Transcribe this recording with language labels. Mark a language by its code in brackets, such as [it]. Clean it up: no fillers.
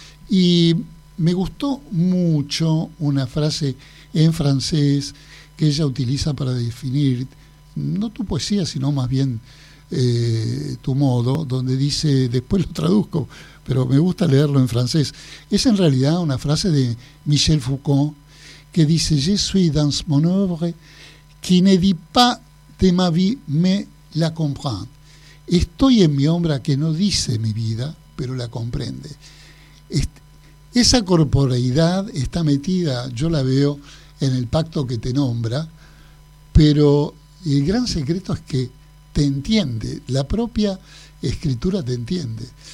[es] Y me gustó mucho una frase en francés que ella utiliza para definir, no tu poesía, sino más bien tu modo, donde dice, después lo traduzco, pero me gusta leerlo en francés. Es en realidad una frase de Michel Foucault que dice: [fr] Je suis dans mon œuvre, qui ne dit pas de ma vie, mais la comprend. [es] Estoy en mi obra que no dice mi vida, pero la comprende. Esa corporeidad está metida, yo la veo, en el pacto que te nombra, pero el gran secreto es que te entiende, la propia escritura te entiende.